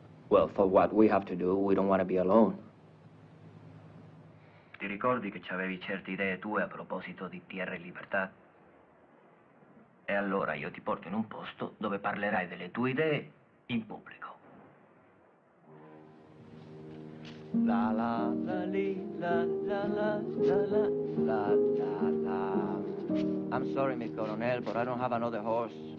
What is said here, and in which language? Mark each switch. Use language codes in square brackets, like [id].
[en] Well, for what we have to do, we don't want to be alone. [it] Ti ricordi che ci avevi certe idee tue a proposito di Tierra e Libertà? E allora io ti porto in un posto dove parlerai delle tue idee in pubblico. La la la li la la la la la la la la. [en] I'm sorry, [es] mi coronel, [en] but I don't have another horse.